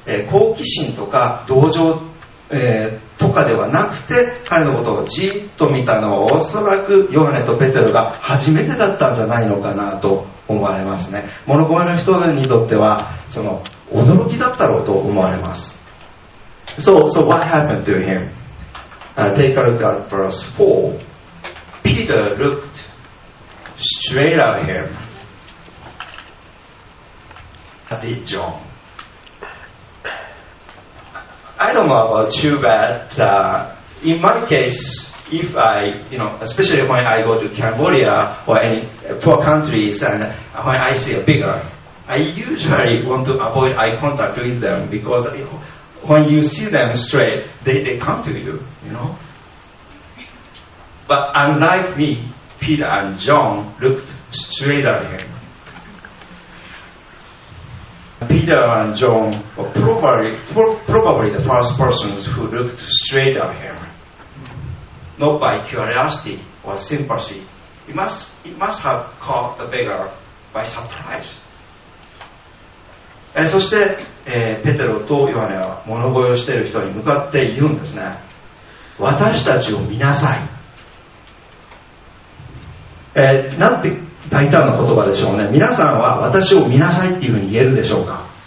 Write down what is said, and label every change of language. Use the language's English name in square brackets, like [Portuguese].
[Japanese] 好奇心とか同情とかではなくて彼のことをじっと見たのはおそらくヨハネとペテロが初めてだったんじゃないのかなと思われますね。物乞いの人にとってはその驚きだったろうと思われます。 [English] So what happened to him?、Take a look at verse 4. Peter looked straight at him. That is JohnI don't know about you, but in my case, if I, you know, especially when I go to Cambodia or any poor countries, and when I see a beggar, I usually want to avoid eye contact with them, because when you see them straight, they come to you, you know. But unlike me, Peter and John looked straight at him. Peter and John were probably the first persons who looked straight at him. Not by curiosity or sympathy. It must have caught the beggar by surprise. [Japanese] そして、ペテロとヨハネは物乞いをしている人に向かって言うんですね。私たちを見なさい。なんて大胆な言葉でしょうね。皆さんは私を見なさいっていうふうに言えるでしょうか。